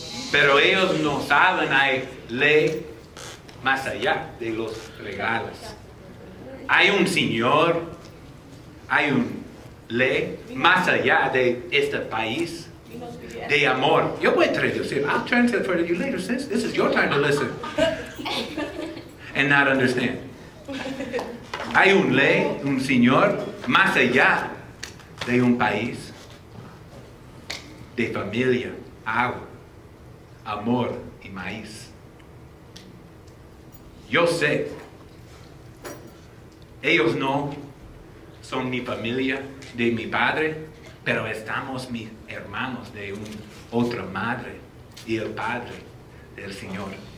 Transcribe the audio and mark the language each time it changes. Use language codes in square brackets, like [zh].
[es] Pero ellos no saben hay ley más allá de los legales. Hay un señor, hay un ley más allá de este país de amor. Yo voy a traducir. [en] I'll translate for you later, sis. This is your time to listen and not understand. [es] Hay un ley, un señor más allá de un país de familia, agua, amor y maíz. Yo sé, ellos no son mi familia de mi padre, pero estamos mis hermanos de un otra madre y el padre del Señor.